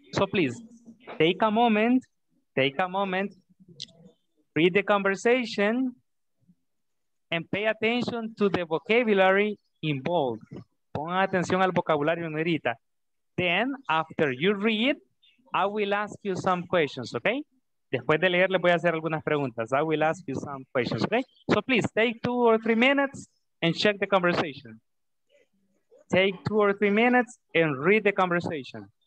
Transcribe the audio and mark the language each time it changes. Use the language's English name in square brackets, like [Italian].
[English] So, please, take a moment. Take a moment. Read the conversation. And pay attention to the vocabulary in bold. [Spanish] Pongan atención al vocabulario en negrita. [English] Then, after you read, I will ask you some questions, okay? [Spanish] Después de leer, les voy a hacer algunas preguntas. [English] I will ask you some questions, okay? So please, take 2 or 3 minutes and check the conversation. Take 2 or 3 minutes and read the conversation.